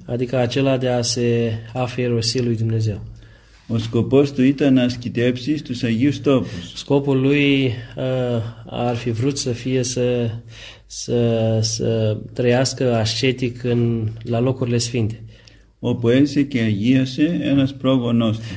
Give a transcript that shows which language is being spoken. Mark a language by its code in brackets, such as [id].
[ro] Adică acela de a se αφιερωθεί lui Dumnezeu. [el] Ο σκοπός του ήταν να ασκητέψει στους Αγίους Τόπους. [ro] Σκόπου lui ar fi vrut să fie să trăiască ascetic la locurile sfinte. [el] Όπου έζησε και αγίασε ένας πρόγονός του.